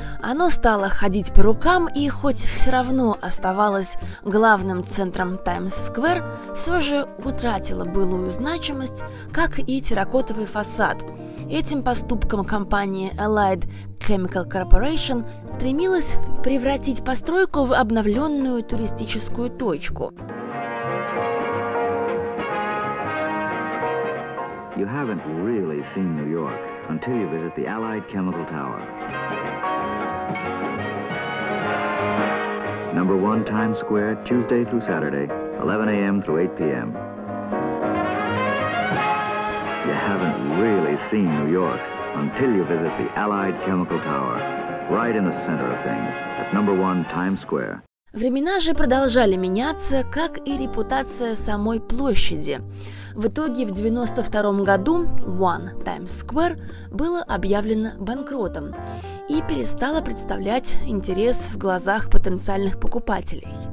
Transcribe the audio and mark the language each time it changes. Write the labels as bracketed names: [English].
[Russian] Оно стало ходить по рукам, и хоть все равно оставалось главным центром Таймс-сквер, все же утратило былую значимость, как и терракотовый фасад. Этим поступком компания Allied Chemical Corporation стремилась превратить постройку в обновленную туристическую точку. [English] You haven't really seen New York until you visit the Allied Chemical Tower. Number one Times Square, Tuesday through Saturday, 11 a.m. through 8 p.m. You haven't really seen New York until you visit the Allied Chemical Tower, right in the center of things, at number one Times Square. [Russian] Времена же продолжали меняться, как и репутация самой площади. В итоге в 92 году One Times Square было объявлено банкротом и перестало представлять интерес в глазах потенциальных покупателей.